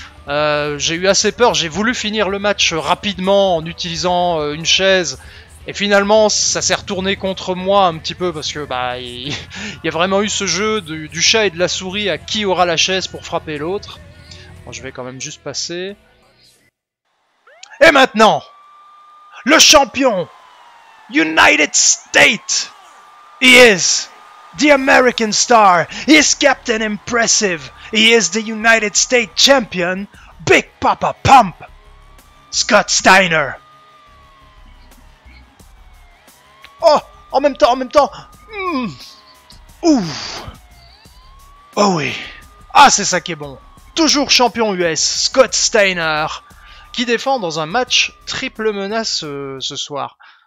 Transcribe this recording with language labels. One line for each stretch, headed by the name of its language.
French: J'ai eu assez peur, j'ai voulu finir le match rapidement en utilisant une chaise. Et finalement, ça s'est retourné contre moi un petit peu parce que il y a vraiment eu ce jeu du chat et de la souris à qui aura la chaise pour frapper l'autre. Bon, je vais quand même juste passer. Et maintenant, le champion
English: United States, he is the American star, he is Captain Impressive, he is the United States champion, Big Papa Pump, Scott Steiner.
French: Oh, en même temps, ouh, oh oui, ah c'est ça qui est bon, toujours champion US, Scott Steiner, qui défend dans un match triple menace ce soir.